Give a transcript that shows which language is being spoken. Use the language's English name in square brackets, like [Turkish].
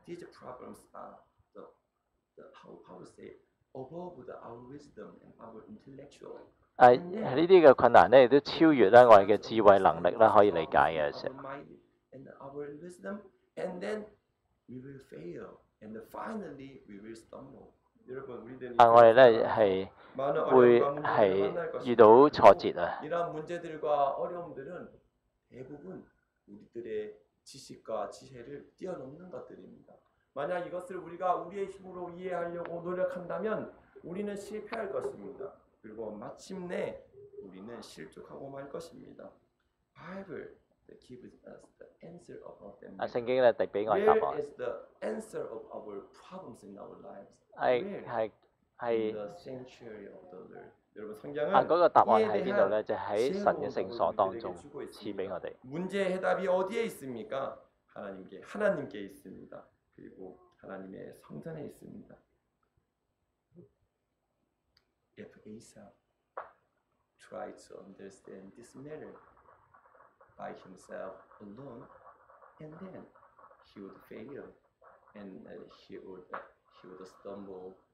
[English] These problems are the how to say. Above the our wisdom and our intellectual. [Cantonese] 呢啲嘅困難咧，都超越咧我哋嘅智慧能力啦，可以理解嘅。 [English] And our wisdom, and then we will fail, and finally we will stumble. [Cantonese] 我哋咧係會係遇到挫折啊。 [Korean] 이런문제들과어려움들은대부분우리들의지식과지혜를뛰어넘는것들입니다만약이것을우리가우리의힘으로이해하려고노력한다면우리는실패할것입니다그리고마침내우리는실족하고말것입니다 [English] Bible gives us the answer of our problems. [Cantonese] 圣经咧递俾我答案。 [English] Where is the answer of our problems in our lives? [Cantonese] 系 [English] In the sanctuary of the Lord. [Korean] 여러분성경은 [Cantonese] 嗰个答案喺边度咧？就喺神嘅圣所当中赐俾我哋。 [Korean] 문제의해답이어디에있습니까？ 하나님께하나님께있습니다그리고하나님의성전에있습니다 [English] If Asa try to understand this matter by himself alone, and then he would fail, and he would stumble.